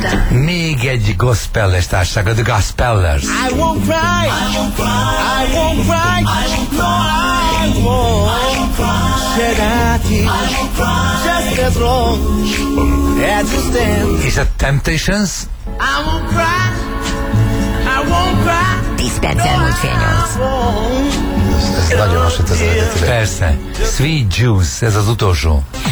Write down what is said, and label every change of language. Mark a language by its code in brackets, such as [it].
[hu] Még egy gospelles társaság, a Gospellers. [en] I won't cry, I won't cry, I won't cry, I won't cry, I won't cry, I won't cry, I won't cry, I won't cry, just as long as you stand. Is that Temptations? I won't cry, I won't cry. [hu] Dispenser múlt fél nyolc. Ez nagyon hasonlít az eredetire. Persze. Sweet Juice, ez az utolsó.